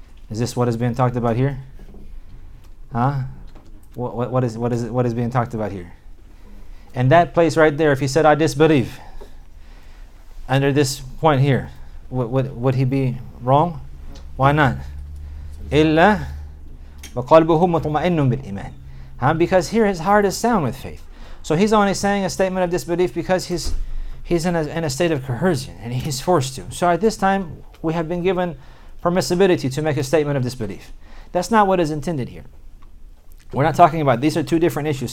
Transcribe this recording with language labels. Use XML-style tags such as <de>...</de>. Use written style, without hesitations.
<en>Is this what is being talked about here? Huh? What is being talked about here? And that place right there, if he said, I disbelieve, under this point here, would he be wrong? Why not?</en> <ar>Illa وَقَلْبُهُ مُطْمَئِنٌ بِالْإِيمَانِ.</ar> <en>Huh? Because here his heart is sound with faith. So he's only saying a statement of disbelief because he's in a state of coercion and he's forced to. So at this time, we have been given permissibility to make a statement of disbelief. That's not what is intended here. We're not talking about, these are two different issues.</en>